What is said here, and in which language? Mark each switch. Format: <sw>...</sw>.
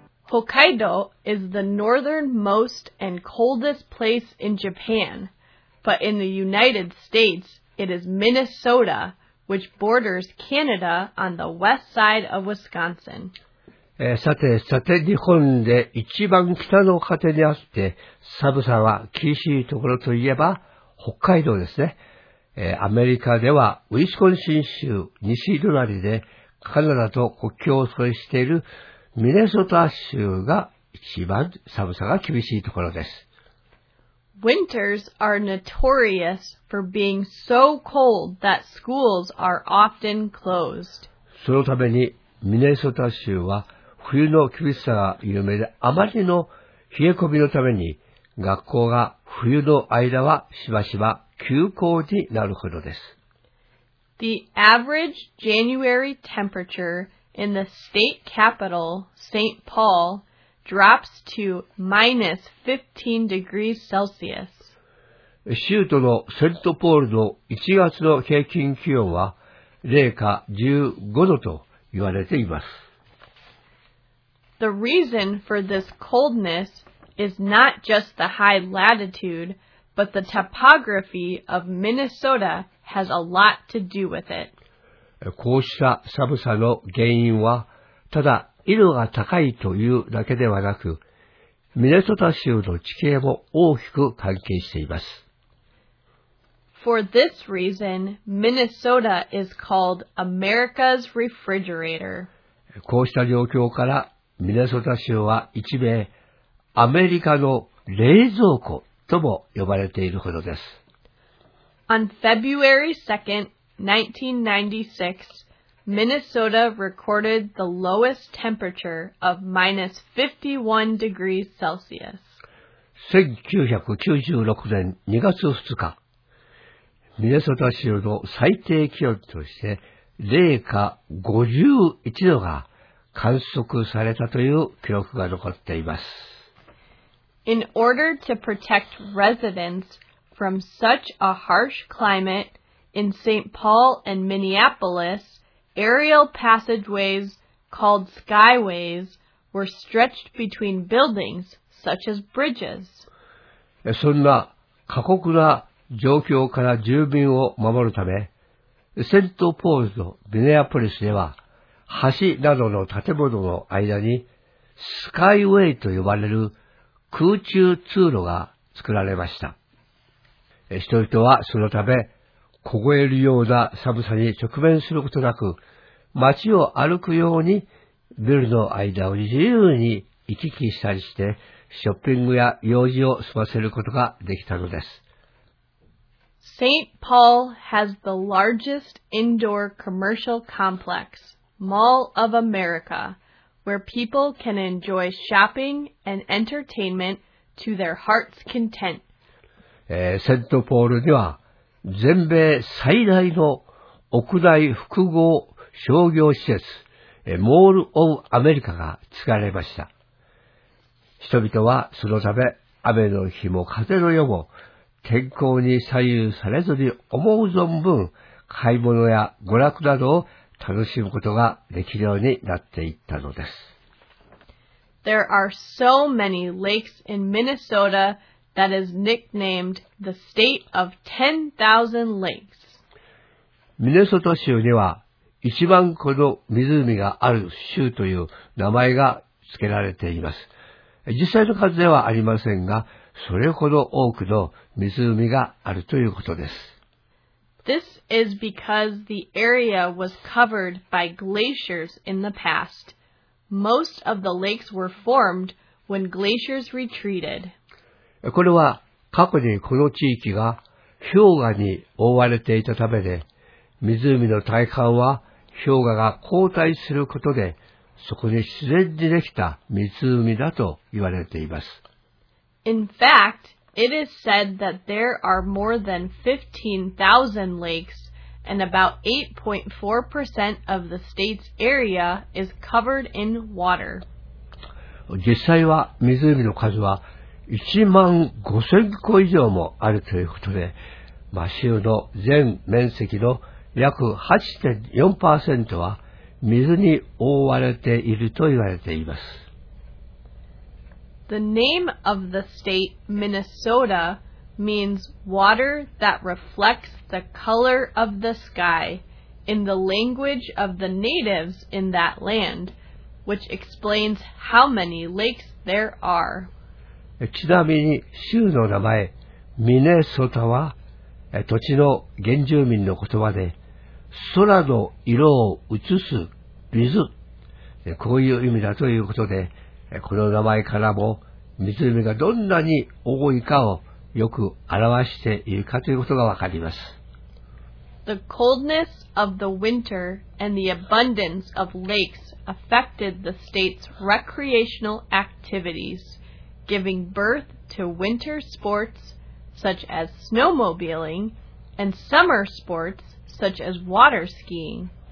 <en>Hokkaido is the northernmost and coldest place in Japan, but in the United States, it is Minnesota, which borders Canada on the west side of Wisconsin.</en> <ja>さてさて、日本で一番北の果てにあって、寒さが厳しいところといえば北海道ですね。アメリカではウィスコンシン州西隣でカナダと国境を接しているミネソタ州が一番寒さが厳しいところです。</ja> <en>Winters are notorious for being so cold that schools are often closed.</en> <ja>そのためにミネソタ州は冬の厳しさが有名で、あまりの冷え込みのために学校が冬の間はしばしば休校になるほどです。</ja> <en>The average January temperature in the state capital, St. Paul, drops to minus 15 degrees Celsius.</en> <ja>州都のセントポールの1月の平均気温は零下15度と言われています。</ja> <en>The reason for this coldness is not just the high latitude, but the topography of Minnesota has a lot to do with it.</en> <ja>こうした寒さの原因は、ただ緯度が高いというだけではなく、ミネソタ州の地形も大きく関係しています。</ja> <en>For this reason, Minnesota is called America's refrigerator.</en> <ja>こうした状況から、ミネソタ州は一名、アメリカの冷蔵庫とも呼ばれているほどです。</ja> <en>On February 2nd, 1996, Minnesota recorded the lowest temperature of minus 51 degrees Celsius.</en> <ja>1996年2月2日、ミネソタ州の最低気温として零下51度が観測されたという記録が残っています。</ja> <en>In order to protect residents from such a harsh climate in St. Paul and Minneapolis, aerial passageways called skyways were stretched between buildings such as bridges.</en> <ja>そんな過酷な状況から住民を守るため、セントポールとミネアポリスでは、橋などの建物の間にスカイウェイと呼ばれる空中通路が作られました。人々はそのため、凍えるような寒さに直面することなく、街を歩くようにビルの間を自由に行き来したりして、ショッピングや用事を済ませることができたのです。</ja> <en>St. Paul has the largest indoor commercial complex, Mall of America, where people can enjoy shopping and entertainment to their heart's content.</en> <ja>セントポールには全米最大の屋内複合商業施設、Mall of America が作られました。人々はそのため雨の日も風の夜も天候に左右されずに思う存分買い物や娯楽などを楽しむことができるようになっていったのです。</ja> <en>There are so many lakes in Minnesota that is nicknamed the state of 10,000 lakes.</en> <ja>ミネソタ州には1万個の湖がある州という名前が付けられています。実際の数ではありませんが、それほど多くの湖があるということです。</ja> <en>This is because the area was covered by glaciers in the past. Most of the lakes were formed when glaciers retreated.</en> <ja>これは過去にこの地域が氷河に覆われていたためで、湖の大半は氷河が後退することで、そこに自然にできた湖だと言われています。</ja> <en>In fact, it is said that there are more than 15,000 lakes, and about 8.4% of the state's area is covered in water.</en> <ja>実際は湖の数は1万5000個以上もあるということで、州の全面積の約 8.4% は水に覆われていると言われています。</ja> <en>The name of the state, Minnesota, means water that reflects the color of the sky in the language of the natives in that land, which explains how many lakes there are.</en> <ja>ちなみに州の名前、ミネソタは土地の原住民の言葉で、空の色を映す水、こういう意味だということで、この名前からも湖がどんなに多いかをよく表しているかということがわかります。</ja> <en>The coldness of the winter and the abundance of lakes affected the state's recreational activities, giving birth to winter sports such as snowmobiling and summer sports such as water skiing.</en>